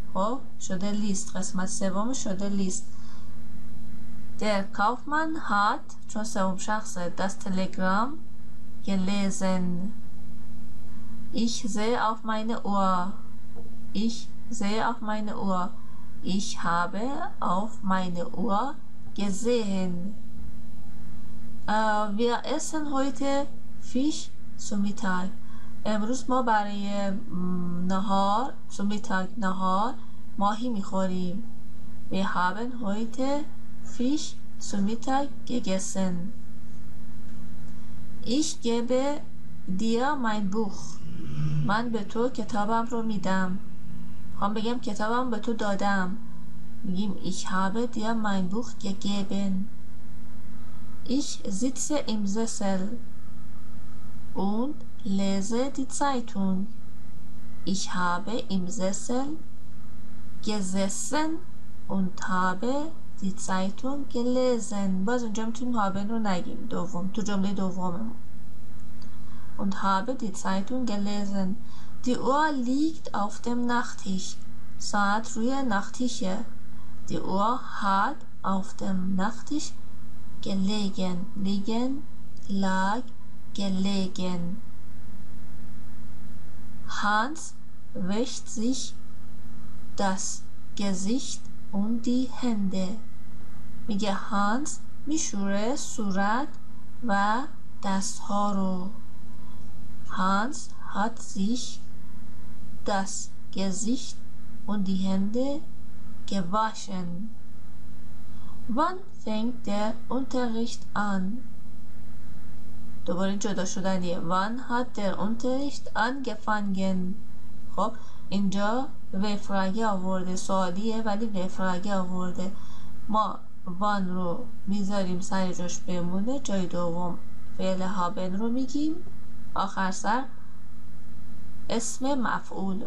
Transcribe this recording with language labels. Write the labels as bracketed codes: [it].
[fa] خب شده لیست، قسمت سوم شده لیست. در کافمن هات، چون سوم شخصه، دست تلگرام یه لزن. [de] ایش زی آف ماین اوا، ich sehe auf meine Uhr. Ich habe auf meine Uhr gesehen. Wir essen heute Fisch zum Mittag. [fa] امروز ما برای نهار، [de] zum Mittag [fa] نهار، ماهی میخوریم. [de] Wir haben heute Fisch zum Mittag gegessen. Ich gebe dir mein Buch. [fa] من به تو کتابم رو میدم. خواهم بگم کتابم به تو دادم، میگیم [de] ich habe dir mein Buch gegeben. Ich sitze im Sessel und lese die Zeitung. Ich habe im Sessel gesessen und habe die Zeitung gelesen. [fa] باز اونجا میتونیم haben رو نگیم، دوم، تو جمله دوم. [de] Und habe die Zeitung gelesen. Die Uhr liegt auf dem Nachttisch. [fa] ساعت روی نختیشه. [de] Die Uhr hat auf dem Nachttisch gelegen. Liegen, lag, gelegen. Hans wäscht sich das Gesicht und die Hände. [fa] میگه Hans میشوره صورت و دست ها رو. [de] Hans hat sich das Gesicht und die Hände gewaschen. Wann fängt der Unterricht an? [fa] دوباره جدا شدنیه. [de] Wann hat der Unterricht angefangen? [fa] خب اینجا وفراگه آورده، سوالیه ولی وفراگه آورده. ما وان رو میذاریم سر جاش بمونه، جای دوم فعل هابن رو میگیم، آخر سر اسم مفعول.